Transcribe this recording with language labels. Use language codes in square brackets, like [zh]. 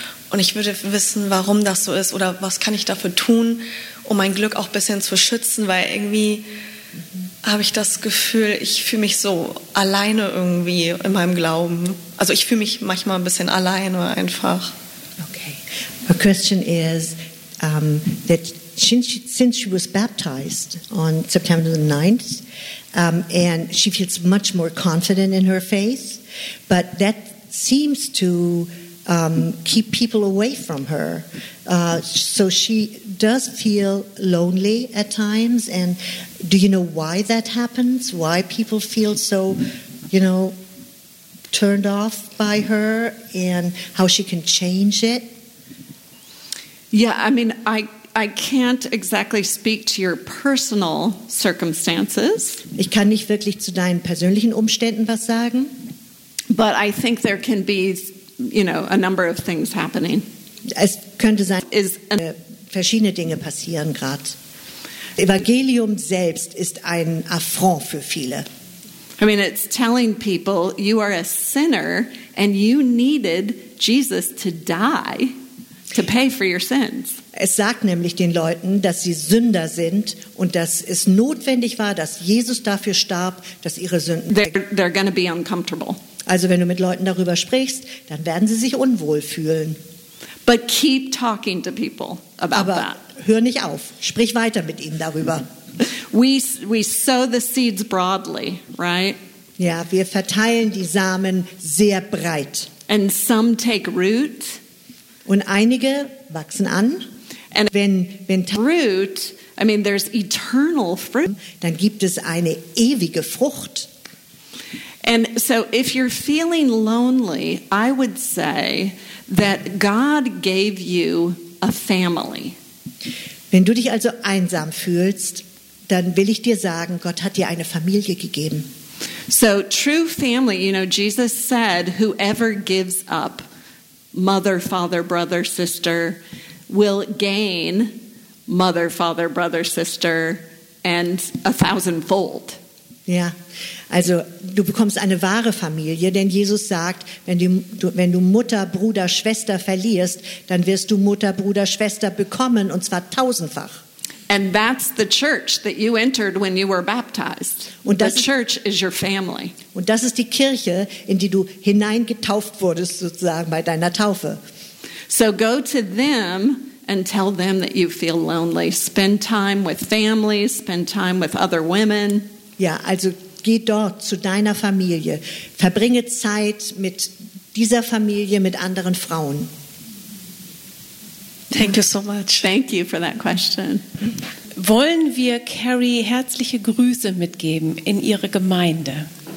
[de] Und ich würde wissen, warum das so ist oder was kann ich dafür tun, um mein Glück auch ein bisschen zu schützen, weil irgendwie habe ich das Gefühl, ich fühle mich so alleine irgendwie in meinem Glauben. Also ich fühle mich manchmal ein bisschen alleine einfach. [en] Okay. The question is, that since she was baptized on September the 9th, and she feels much more confident in her faith, but that seems to keep people away from her. So she does feel lonely at times. And do you know why that happens? Why people feel so, you know, turned off by her, and how she can change it? Yeah, I mean, I can't exactly speak to your personal circumstances. [de] Ich kann nicht wirklich zu deinen persönlichen Umständen was sagen. [en] But I think there can be, you know, a number of things happening. [de] Es könnte sein, verschiedene Dinge passieren gerade. Evangelium selbst ist ein Affront für viele. [en] I mean, it's telling people you are a sinner and you needed Jesus to die to pay for your sins. [de] Es sagt nämlich den Leuten, dass sie Sünder sind und dass es notwendig war, dass Jesus dafür starb, dass ihre Sünden. [en] They're going to be uncomfortable. [de] Also wenn du mit Leuten darüber sprichst, dann werden sie sich unwohl fühlen. [en] But keep talking to people about [de] Aber [en] that. [de] Hör nicht auf, sprich weiter mit ihnen darüber. [en] We sow the seeds broadly, right? [de] Ja, wir verteilen die Samen sehr breit. [en] And some take root. [de] Und einige wachsen an. [en] And wenn root, I mean, there's eternal fruit. [de] Dann gibt es eine ewige Frucht. [en] And so if you're feeling lonely, I would say that God gave you a family. [de] Wenn du dich also einsam fühlst, dann will ich dir sagen, Gott hat dir eine Familie gegeben. [en] So true family, you know, Jesus said, whoever gives up mother, father, brother, sister will gain mother, father, brother, sister and a thousandfold. [de] Ja, also du bekommst eine wahre Familie, denn Jesus sagt, wenn du Mutter, Bruder, Schwester verlierst, dann wirst du Mutter, Bruder, Schwester bekommen, und zwar tausendfach. [en] And that's the church that you entered when you were baptized. [de] Und das, [en] the church is your family. [de] Und das ist die Kirche, in die du hineingetauft wurdest, sozusagen bei deiner Taufe. [en] So go to them and tell them that you feel lonely. Spend time with family, spend time with other women. [de] Ja, also geh dort zu deiner Familie. Verbringe Zeit mit dieser Familie, mit anderen Frauen. [en] Thank you so much. Thank you for that question. [de] Wollen wir Carrie herzliche Grüße mitgeben in ihre Gemeinde?